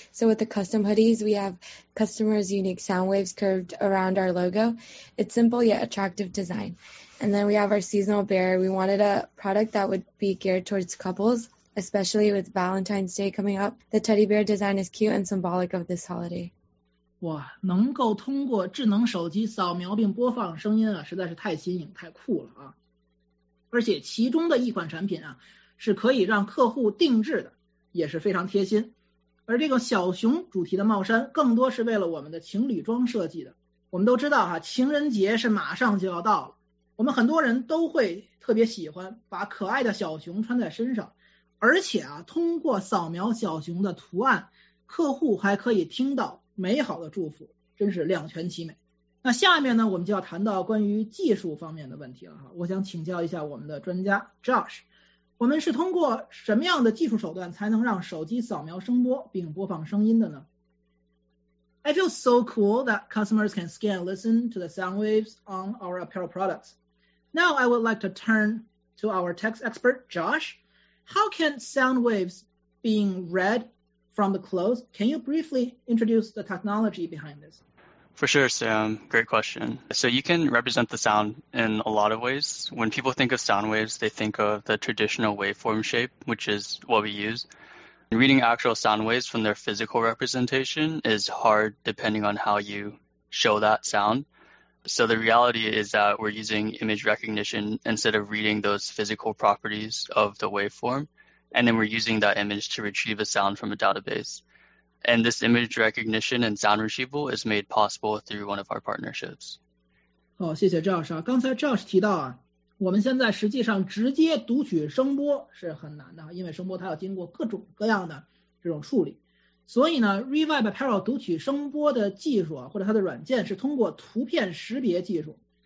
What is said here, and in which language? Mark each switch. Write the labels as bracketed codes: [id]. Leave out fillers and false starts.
[en] So with the custom hoodies, we have customers' unique sound waves curved around our logo. It's simple yet attractive design. And then we have our seasonal bear. We wanted a product that would be geared towards couples, especially with Valentine's Day coming up. The teddy bear design is cute and symbolic of this holiday. [zh] 哇，能够通过智能手机扫描并播放声音啊，实在是太新颖，太酷了啊。而且其中的一款产品啊，是可以让客户定制的，也是非常贴心。而这个小熊主题的帽衫更多是为了我们的情侣装设计的。我们都知道哈，情人节是马上就要到了，我们很多人都会特别喜欢把可爱的小熊穿在身上，而且啊，通过扫描小熊的图案，客户还可以听到美好的祝福，真是两全其美。那下面呢，我们就要谈到关于技术方面的问题了哈。我想请教一下我们的专家 Josh，我们是通过什么样的技术手段才能让手机扫描声波并播放声音的呢？ [en] I feel so cool that customers can scan and listen to the sound waves on our apparel products. Now I would like to turn to our tech expert, Josh. How can sound waves being read from the close. Can you briefly introduce the technology behind this? For sure, Sam. Great question. So you can represent the sound in a lot of ways. When people think of sound waves, they think of the traditional waveform shape, which is what we use. Reading actual sound waves from their physical representation is hard depending on how you show that sound. So the reality is that we're using image recognition instead of reading those physical properties of the waveform. And then we're using that image to retrieve a sound from a database. And this image recognition and sound retrieval is made possible through one of our partnerships. [zh] 好，谢谢 Josh。刚才 Josh 提到啊，我们现在实际上直接读取声波是很难的，因为声波它要经过各种各样的这种处理。所以呢 ，Revive Apparel 读取声波的技术啊，或者它的软件是通过图片识别技术。